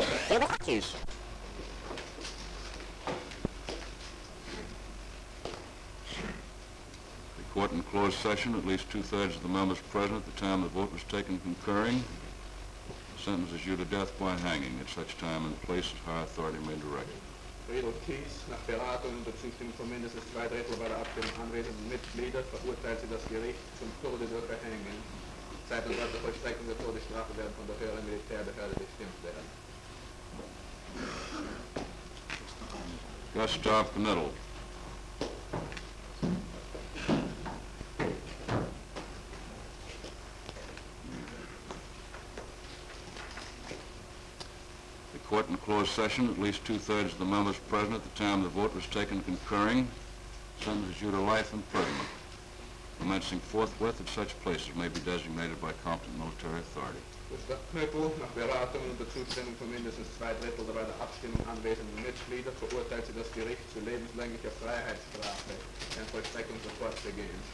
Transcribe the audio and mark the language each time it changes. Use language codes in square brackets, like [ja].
[en] The court in closed session, at least two-thirds of the members present at the time the vote was taken concurring, sentences you to death by hanging at such time and place as high authority may direct. [de] Friedel Kies, nach Beratung und Zustimmung von mindestens zwei Drittel bei der Abstimmung anwesenden Mitglieder, verurteilte das Gericht zum Tode durch Verhängen. Zeit und Ort der Vollstreckung der Todesstrafe werden von der höheren Militärbehörde bestimmt werden. Gustav Knittel. [en] closed session, at least two-thirds of the members present at the time the vote was taken concurring, sentences you to life imprisonment, commencing forthwith at such places may be designated by competent military authority. [de] Knüppel, nach Beratung und Zustimmung von mindestens zwei Drittel der bei der Abstimmung anwesenden Mitglieder, verurteilt sie das Gericht zu lebenslänglicher Freiheitsstrafe, ein Vollstreckung sofort begehen.